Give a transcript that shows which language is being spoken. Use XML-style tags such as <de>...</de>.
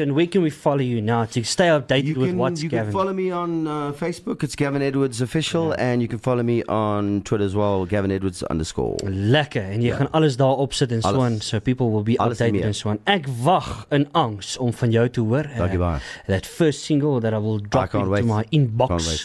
<en>And where can we follow you now to stay updated with what's you Gavin? You can follow me on Facebook. It's Gavin Edwards Official. Yeah. And you can follow me on Twitter as well, GavinEdwards_. Lekker. And you can</en> <af>alles daar opsit</af> <en>and so on. So people will be updated and so on.</en> <af>Ek wag in angst om van jou te hoor. Dankie baie.</af> <en>That first single that I will drop into my inbox.</en>